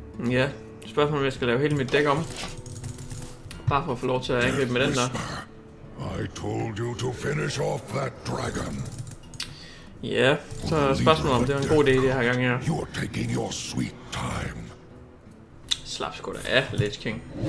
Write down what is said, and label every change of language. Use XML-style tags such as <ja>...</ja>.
<da>Ja, spørgsmålet er, om jeg skal lave hele mit deck om. Bare for at få lov til at angribe med den der.</da> <en>I told you to finish off that dragon.</en> <da>Ja, så spørgsmålet om det var en god idé det her gang her.</da> <en>You're taking your sweet time.</en> <da>Slap sgu da af, Lich King.</da>